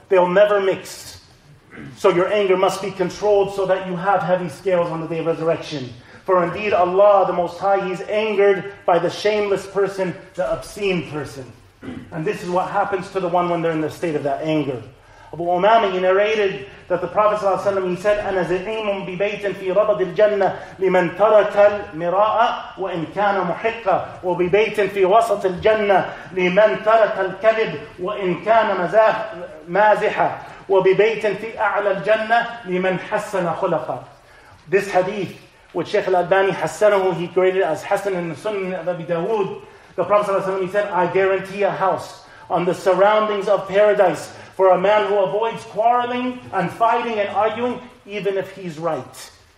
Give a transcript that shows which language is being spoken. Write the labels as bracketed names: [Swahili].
[English] They'll never mix. So your anger must be controlled so that you have heavy scales on the day of resurrection. For indeed Allah, the Most High, He's angered by the shameless person, the obscene person. And this is what happens to the one when they're in the state of that anger. Abu Umami, he narrated that the Prophet ﷺ, he said, [Arabic] أَنَا زِعِيمٌ بِبَيْتٍ فِي رَبَضِ الْجَنَّةِ لِمَنْ تَرَكَ الْمِرَاءَ وَإِنْ كَانَ مُحِقَّةِ وَبِبَيْتٍ فِي وَسَطِ الْجَنَّةِ لِمَنْ تَرَكَ الْكَذِبِ وَإِنْ كَانَ مَازِحًا وَبِبَيْتٍ فِي أَعْلَى الْجَنَّةِ لِمَنْ حَسَّنَ خُلَقَ. [English] This hadith, which Shaykh al-Albani [Arabic] حَسَّنَهُ, [English] he created as Hassan in the Sunnah of Abi Dawood. The Prophet ﷺ, he said, I guarantee a house on the surroundings of paradise for a man who avoids quarreling and fighting and arguing, even if he's right.